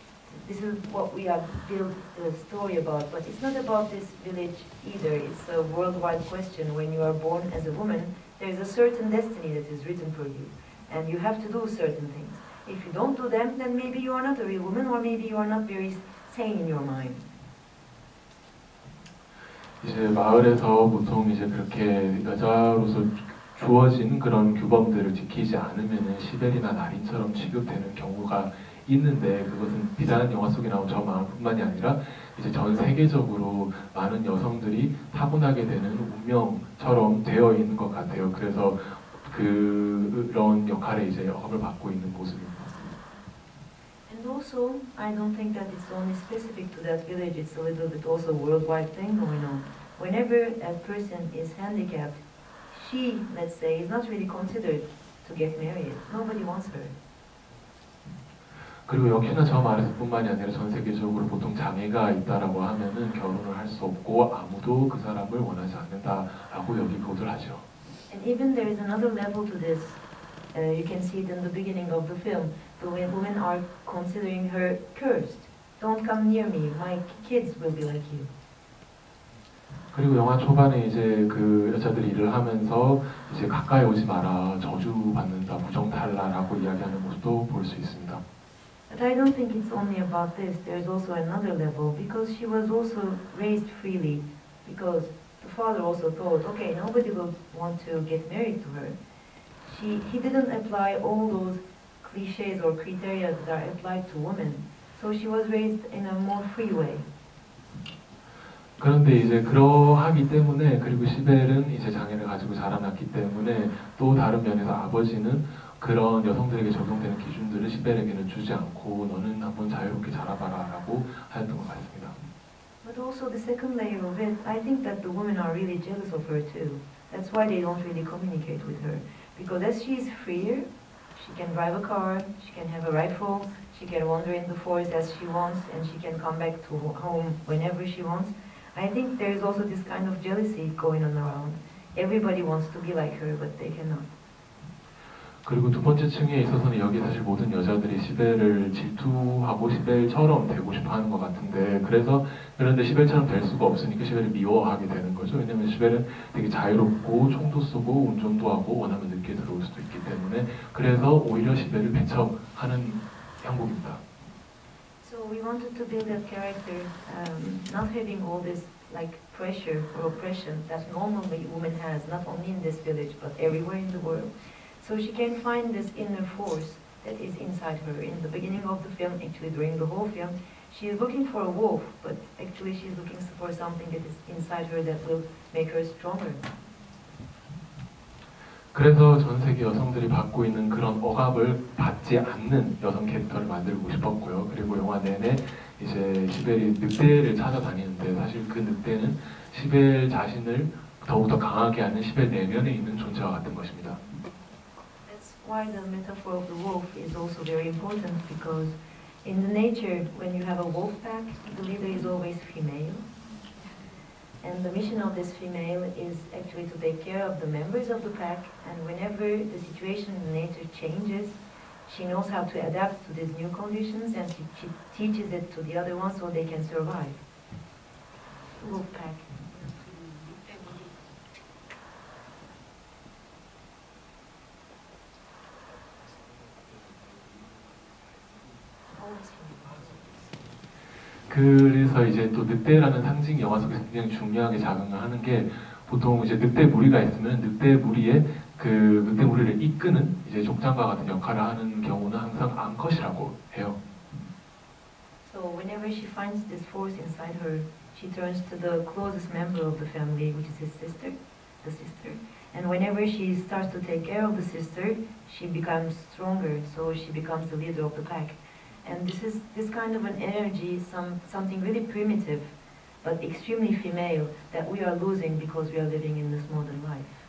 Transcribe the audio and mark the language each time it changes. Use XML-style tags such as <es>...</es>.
<en>So this is what we have built the story about, but it's not about this village either. It's a worldwide question. When you are born as a woman, there is a certain destiny that is written for you. And you have to do certain things. If you don't do them, then maybe you are not a real woman, or maybe you are not very sane in your mind.</en> <ko>이제 마을에서 보통 이제 그렇게 여자로서 주어진 그런 규범들을 지키지 않으면은 시베리나 나린처럼 취급되는 경우가 있는데 그것은 비단 영화 속에 나온 저 마을뿐만이 아니라 이제 전 세계적으로 많은 여성들이 타고나게 되는 운명처럼 되어 있는 것 같아요. 그래서 그런 역할에 이제 역할을 받고 있는 모습입니다.</ko> <en>Also, I don't think that it's only specific to that village, it's a little bit also a worldwide thing going on. Whenever a person is handicapped, she, let's say, is not really considered to get married. Nobody wants her.</en> <ko>그리고 역시나 저 말에서 뿐만이 아니라 전 세계적으로 보통 장애가 있다라고 하면은 결혼을 할 수 없고 아무도 그 사람을 원하지 않는다라고 여기 보도를 하죠.</ko> <en>And even there is another level to this. You can see it in the beginning of the film. The women are considering her cursed. Don't come near me. My kids will be like you.</en> <ko>그리고 영화 초반에 이제 그 여자들이 일을 하면서 이제 가까이 오지 마라, 저주 받는다, 부정 달라라고 이야기하는 것도 볼 수 있습니다.</ko> <en>But I don't think it's only about this. There is also another level because she was also raised freely because the father also thought, okay, nobody will want to get married to her. He didn't apply all those cliches or criteria that are applied to women, so she was raised in a more free way.</en> <ko>그런데 이제 그러하기 때문에 그리고 시벨은 이제 장애를 가지고 자라났기 때문에 또 다른 면에서 아버지는 그런 여성들에게 적용되는 기준들을 시벨에게는 주지 않고 너는 한번 자유롭게 자라봐라라고 하였던 것 같습니다.</ko> <en>But also the second layer of it, I think that the women are really jealous of her too. That's why they don't really communicate with her. Because as she is freer, she can drive a car, she can have a rifle, she can wander in the forest as she wants, and she can come back to home whenever she wants. I think there is also this kind of jealousy going on around. Everybody wants to be like her, but they cannot.</en> <ko>그리고 두 번째 층에 있어서는 여기 사실 모든 여자들이 시벨을 질투하고 시벨처럼 되고 싶어 하는 것 같은데 그래서 그런데 시벨처럼 될 수가 없으니까 시벨을 미워하게 되는 거죠. 왜냐면 시벨은 되게 자유롭고 총도 쏘고 운전도 하고 원하면 늦게 들어올 수도 있기 때문에 그래서 오히려 시벨을 배척하는 형국입니다.</ko> <en>So we wanted to build a character not having all this like pressure or oppression that normally women has not only in this village but everywhere in the world. So she can find this inner force that is inside her. In the beginning of the film, actually during the whole film, she is looking for a wolf, but actually she is looking for something that is inside her that will make her stronger.</en> <ko>그래서 전 세계 여성들이 받고 있는 그런 억압을 받지 않는 여성 캐릭터를 만들고 싶었고요. 그리고 영화 내내 이제 시벨이 늑대를 찾아다니는데 사실 그 늑대는 시벨 자신을 더욱더 강하게 하는 시벨 내면에 있는 존재와 같은 것입니다.</ko> <en>Why the metaphor of the wolf is also very important because in the nature, when you have a wolf pack, the leader is always female. And the mission of this female is actually to take care of the members of the pack. And whenever the situation in nature changes, she knows how to adapt to these new conditions and she teaches it to the other ones so they can survive. Wolf pack.</en> <ko>그래서 이제 또 늑대라는 상징 영화 속에서 굉장히 중요하게 작용을 하는 게 보통 이제 늑대 무리가 있으면 늑대 무리에 그 늑대 무리를 이끄는 이제 족장과 같은 역할을 하는 경우는 항상 암컷이라고 해요.</ko> <en>So whenever she finds this force inside her, she turns to the closest member of the family, which is his sister, the sister. And whenever she starts to take care of the sister, she becomes stronger. So she becomes the leader of the pack. And this kind of an energy, something really primitive, but extremely female, that we are losing because we are living in this modern life.</en>